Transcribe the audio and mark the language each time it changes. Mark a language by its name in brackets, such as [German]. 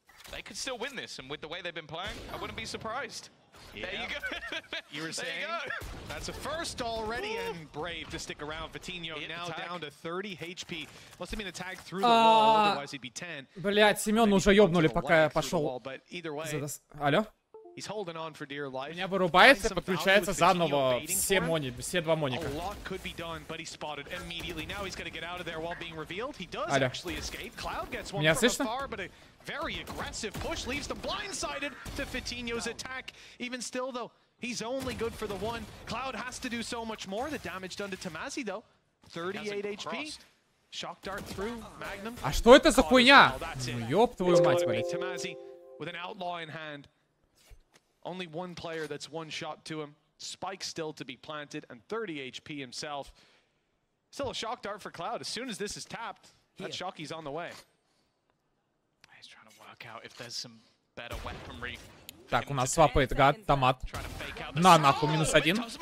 [English] They could still win this, and with the way they've been playing, I wouldn't be surprised. There you go. You were saying that's a first already, and brave to stick around. Vitinho now down to 30 HP. Must have been a tag through the wall, otherwise he'd be 10. [Russian] Блять, Семен уже ёбнули, пока я пошел. [English] Алло? He's holding on for dear life. [Russian] Меня вырубает и подключается заново все мони, все два моника. Алло. Меня слышно? [English] Very aggressive push leaves them blindsided to Fitinho's attack. Even still, though, he's only good for the one. Cloud has to do so much more. The damage done to Tomasi, though, 38 HP. Shock dart through Magnum. [Russian] А что это за хуйня? Ну, ёб твою мать, блядь. [English] It's gonna be Tomasi with an outlaw in hand. Only one player that's one shot to him. Spike still to be planted and 30 HP himself. Still a shock dart for Cloud. As soon as this is tapped, that shocky's on the way. [Russian] Так, у нас свапает гад, томат. На, нахуй, минус один.